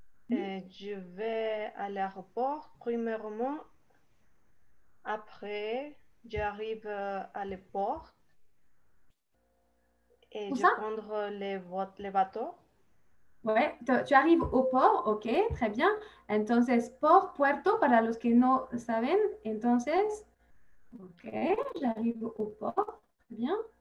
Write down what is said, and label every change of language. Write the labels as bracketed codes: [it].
[fr] Je vais à l'aéroport premièrement. Après, j'arrive à l'aéroport et où je vais prendre les bateaux. Ouais, tu arrives au port, ok, très bien. [es] Entonces, port, puerto, para los que no saben. [fr] Entonces, ok, j'arrive au port, très bien.